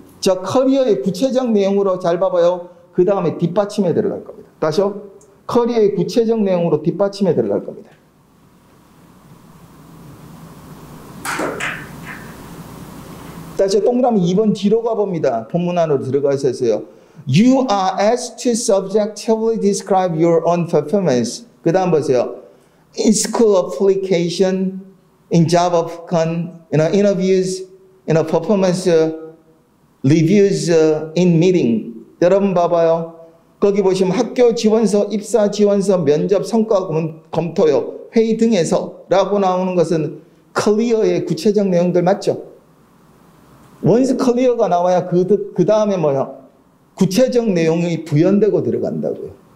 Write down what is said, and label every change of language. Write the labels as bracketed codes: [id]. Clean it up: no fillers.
[ko] 저 커리어의 구체적 내용으로 잘 봐봐요. 그 다음에 뒷받침에 들어갈 겁니다. 다시요. 커리어의 구체적 내용으로 뒷받침에 들어갈 겁니다. 다시요. 동그라미 2번 뒤로 가봅니다. 본문 안으로 들어가셨어요. [en] You are asked to subjectively describe your own performance. [ko] 그 다음 보세요. [en] In school application, in job application, you know, interviews, in a performance reviews in meeting. [ko] 여러분 봐봐요. 거기 보시면 학교 지원서, 입사 지원서, 면접, 성과 검토요. 회의 등에서 라고 나오는 것은 클리어의 구체적 내용들 맞죠? [en] Once clear [ko] 가 나와야 그 다음에 뭐야? 구체적 내용이 부연되고 들어간다고요.